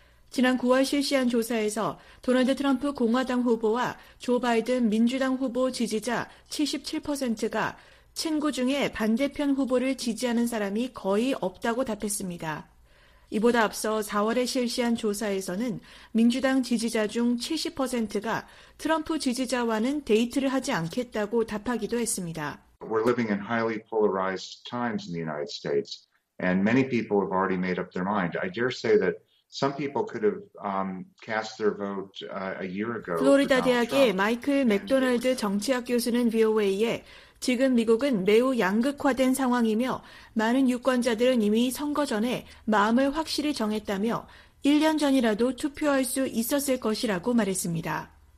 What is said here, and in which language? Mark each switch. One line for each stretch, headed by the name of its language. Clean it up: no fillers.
Korean: 지난 9월 실시한 조사에서 도널드 트럼프 공화당 후보와 조 바이든 민주당 후보 지지자 77%가 친구 중에 반대편 후보를 지지하는 사람이 거의 없다고 답했습니다. 이보다 앞서 4월에 실시한 조사에서는 민주당 지지자 중 70%가 트럼프 지지자와는 데이트를 하지 않겠다고 답하기도 했습니다.
English: We're living in highly polarized times in the United States, and many people have already made up their mind. I dare say that Some people could have cast their vote a year ago.
Korean: 플로리다 대학의 마이클 맥도널드 정치학 교수는 VOA에 지금 미국은 매우 양극화된 상황이며 많은 유권자들은 이미 선거 전에 마음을 확실히 정했다며 1년 전이라도 투표할 수 있었을 것이라고 말했습니다.